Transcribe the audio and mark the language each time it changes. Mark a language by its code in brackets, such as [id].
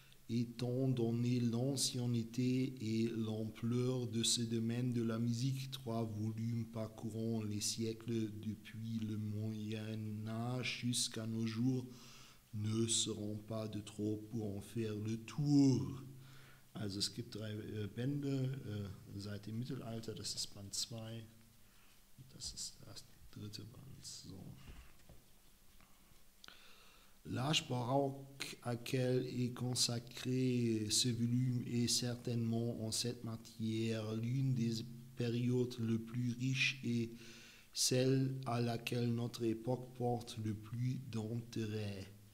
[fr] Étant donné l'ancienneté et l'ampleur de ce domaine de la musique, trois volumes parcourant les siècles depuis le Moyen Âge jusqu'à nos jours ne seront pas de trop pour en faire le tour. [de] Also es gibt drei Bände seit dem Mittelalter, das ist Band 2, das ist das dritte Band. So. [fr] L'âge baroque à quel est consacré ce volume est certainement en cette matière l'une des périodes les plus riches et celle à laquelle notre époque porte le plus d'intérêt.